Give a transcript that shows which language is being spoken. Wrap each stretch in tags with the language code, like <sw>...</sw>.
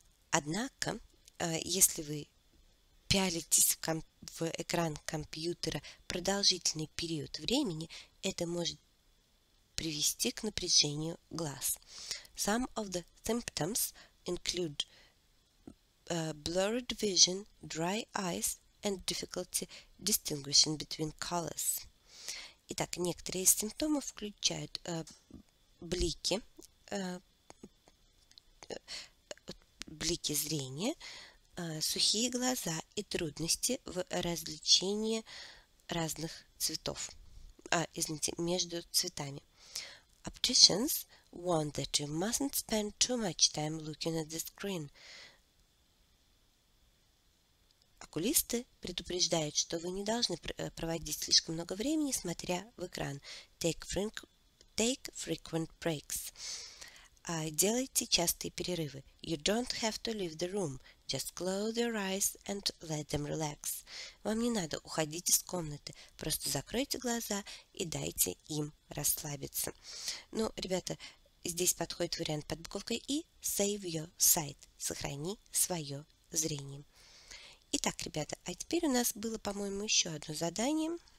<ru>Однако, если вы пялитесь в экран компьютера продолжительный период времени, это может привести к напряжению глаз.</ru> <en>Some of the symptoms include blurred vision, dry eyes, and difficulty distinguishing between colors.</en> <ru>Итак, некоторые из симптомов включают блики, блики зрения, сухие глаза и трудности в различении разных цветов, между цветами.</ru> <en>Opticians warn that you mustn't spend too much time looking at the screen.</en> <ru>Окулисты предупреждают, что вы не должны проводить слишком много времени, смотря в экран.</ru> <en>Take frequent breaks.</en> <ru>Делайте частые перерывы.</ru> <en>You don't have to leave the room. Just close your eyes and let them relax.</en> <ru>Вам не надо уходить из комнаты. Просто закройте глаза и дайте им расслабиться. Ну, ребята, здесь подходит вариант под буковкой I.</ru> <en>Save your sight.</en> <ru>Сохрани свое зрение. Итак, ребята, а теперь у нас было, по-моему, еще одно задание.</ru>